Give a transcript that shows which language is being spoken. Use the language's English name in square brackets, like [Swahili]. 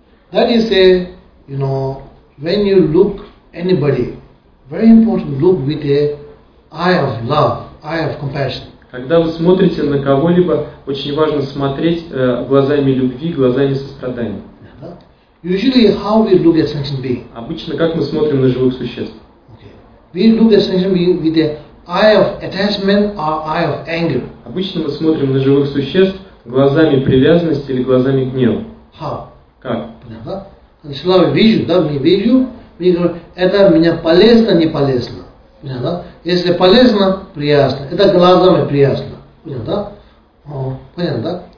[English] That is a, you know, when you look anybody, very important look with a eye of love, eye of compassion. [Russian] Когда вы смотрите на кого-либо, очень важно смотреть глазами любви, глазами сострадания. [English] Usually how we look at sentient being. [Russian] Обычно как мы смотрим на живых существ? [English] We look at sentient being with the eye of attachment or eye of anger. [Russian] Обычно мы смотрим на живых существ глазами привязанности или глазами гнева. [English] How? [Russian] Как? Понятно? Сначала мы видим, да, мы видим, мы говорим, это меня полезно, не полезно. Понятно? Если полезно, приятно. Это глазами приятно. Понятно? Понятно, да?